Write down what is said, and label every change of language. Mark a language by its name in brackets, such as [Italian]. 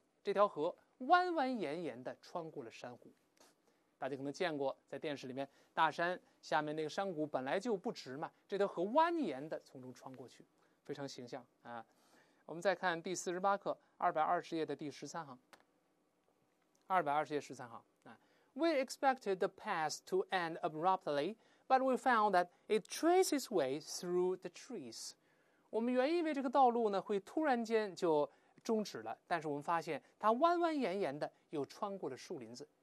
[Chinese] 这条河弯弯延延地穿过了山谷。大家可能见过，在电视里面，大山下面那个山谷本来就不直嘛，这条河蜿蜒地从中穿过去，非常形象啊。我们再看第48课220页的第13行，220页13行啊。 [English] We expected the path to end abruptly, but we found that it traced its way through the trees. [Chinese] 我们原以为这个道路呢会突然间就终止了，但是我们发现它弯弯延延地又穿过了树林子。